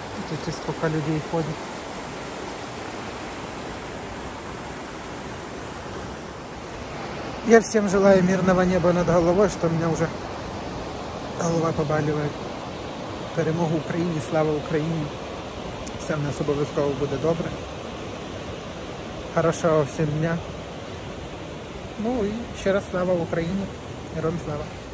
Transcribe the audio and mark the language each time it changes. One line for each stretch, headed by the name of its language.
Russian: Видите, сколько людей ходит. Я всем желаю мирного неба над головой, что у меня уже голова побаливает. Перемогу Украине, слава Украине.
Ukrainian: Всем нас обов'язково буде добре.
Russian: Хорошого всем дня. Ну и еще раз слава Украине. Героям слава!